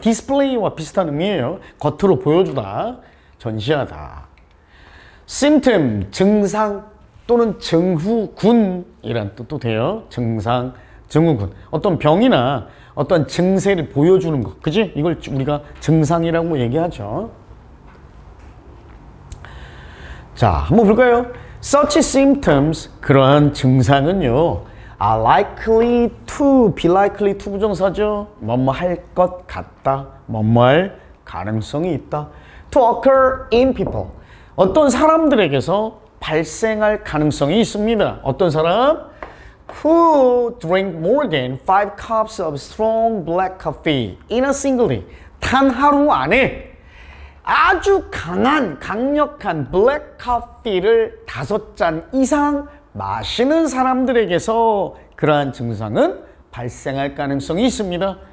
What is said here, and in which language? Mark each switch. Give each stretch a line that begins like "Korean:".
Korean: 디스플레이와 비슷한 의미예요. 겉으로 보여주다, 전시하다. 심텀, 증상 또는 증후군이란 뜻도 돼요. 증상, 증후군. 어떤 병이나 어떤 증세를 보여주는 것. 그지? 이걸 우리가 증상이라고 얘기하죠. 자, 한번 볼까요?
English: Such symptoms,
Korean: 그러한 증상은요,
English: are likely to, be likely to 부정사죠.
Korean: 뭐뭐 할 것 같다, 뭐뭐 할 가능성이 있다.
English: To occur in people,
Korean: 어떤 사람들에게서 발생할 가능성이 있습니다. 어떤 사람?
English: Who drink more than 5 cups of strong black coffee in a single day,
Korean: 단 하루 안에 아주 강한, 강력한 블랙 커피를 5잔 이상 마시는 사람들에게서 그러한 증상은 발생할 가능성이 있습니다.